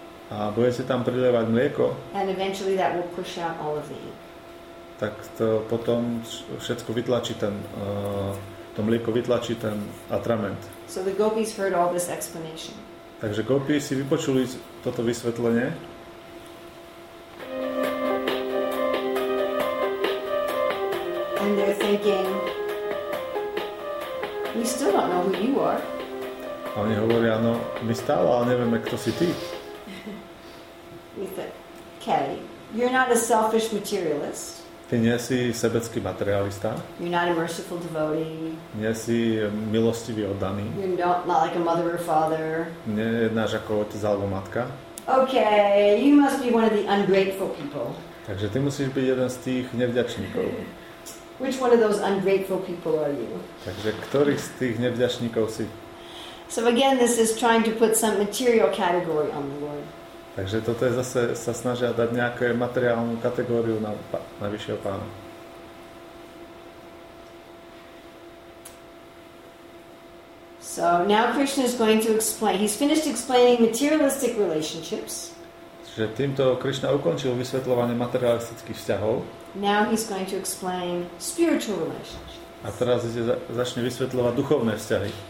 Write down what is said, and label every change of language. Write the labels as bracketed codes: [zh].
[sk] A budete tam prilievať mlieko. [en] And eventually that will push out all of the ink. [sk] Tak to potom všetko vytlačí ten to mlieko vytlačí ten atrament. [en] So the gopis heard all this explanation. [sk] Takže gopi si vypočuli toto vysvetlenie. [en] And they're thinking, we still don't know who you are. [sk] A oni hovoria, no my stále, ale nevieme, kto si ty. [en] We said, okay, you're not a selfish materialist. [sk] Ty nie si sebecký materialista. [en] You're not a merciful devotee. [sk] Nie si milostivý oddaný. [en] You're not like a mother or father. [sk] Nie jednáš ako otec alebo matka. [en] Okay, you must be one of the ungrateful people. [sk] Takže ty musíš byť jeden z tých nevďačníkov. [en] Which one of those ungrateful people are you? [sk] Takže ktorý z tých nevďačníkov si? [en] So again, this is trying to put some material category on the Lord. [sk] Takže toto je zase sa snažia dať nejakú materiálnu kategóriu na vyššieho pána. [en] So now Krishna is going to explain. He's finished explaining materialistic relationships. [sk] Čiže týmto Krishna ukončil vysvetľovanie materialistických vzťahov. [en] Now he's going to explain spiritual relationships. [sk] A teraz ide začne vysvetľovať duchovné vzťahy.